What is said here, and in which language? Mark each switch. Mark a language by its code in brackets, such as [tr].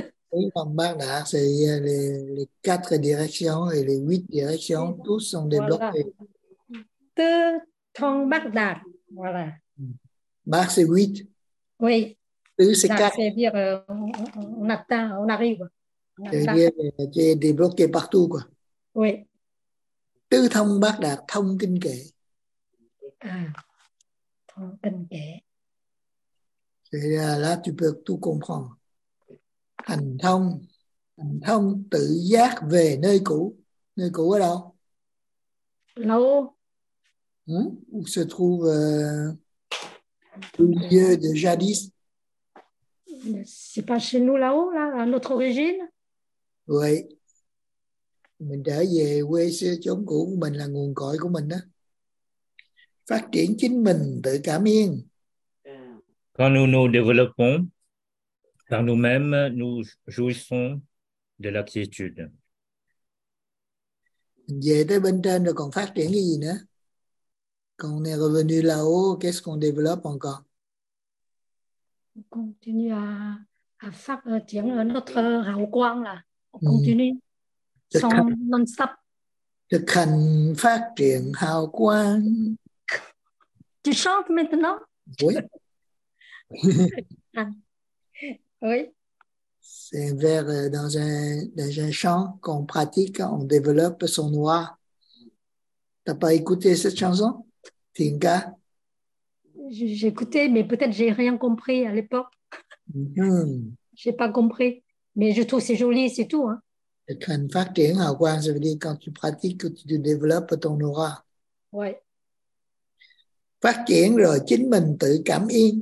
[vi] Tứ thông bát đạt, [fr] c'est les quatre directions et les huit directions, tous sont développés. [vi] Tứ thông bát đạt, voilà. [fr] Bát, c'est huit. Oui. Tứ, c'est quatre. C'est dire, on atteint, on arrive. C'est dire, tu es débloqué partout, quoi. Oui. [vi] Tứ thông bát đạt, thông kinh kệ. Thông kinh kệ. [fr] C'est là, tu peux tout comprendre. [vi] Hành thông tự giác về nơi cũ. Nơi cũ ở đâu? [fr] Là où? Où se trouve le lieu de jadis? C'est pas chez nous là-haut, là, à notre origine? Oui. [vi] Mình trở về quê xưa chốn cũ của mình, là nguồn cội của mình đó. Phát triển chính mình tự cảm yên. [fr] Quand nous nous développons, par nous-mêmes, nous jouissons de la quiétude. [vi] Về tới bên trên rồi còn phát triển cái gì nữa? [fr] Quand on est revenu là-haut, qu'est-ce qu'on développe encore? On continue à [vi] phát triển [fr] notre hào quang là. On continue. Sans non-stop. [vi] Thực hành phát triển hào quang. [fr] Tu chantes maintenant? Oui. Oui. C'est un vers dans un chant qu'on pratique, on développe son oua. T'as pas écouté cette chanson, Tinka? J'ai écouté, mais peut-être j'ai rien compris à l'époque. Mm-hmm. J'ai pas compris, mais je trouve que c'est joli, c'est tout. Hein? Quand tu pratiques, à quoi ça veut dire quand tu pratiques, tu développes ton aura. Oui. [vi] Phát triển rồi chính mình tự cảm yên.